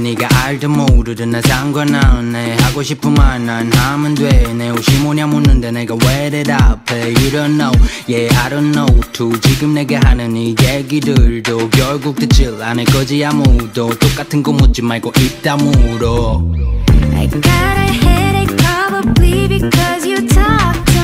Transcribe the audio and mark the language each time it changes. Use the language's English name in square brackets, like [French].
[Korean] 네가 알든 모르든 나 상관없네. 하고 싶은 말 난 하면 돼. 내 옷이 뭐냐 묻는데 내가 왜 대답해. [English] You don't know, yeah I don't know too. [Korean] 지금 내게 하는 이 얘기들도 결국 듣질 않을 거지 아무도. 똑같은 거 묻지 말고 이따 물어. [English] I got a headache probably because you talk.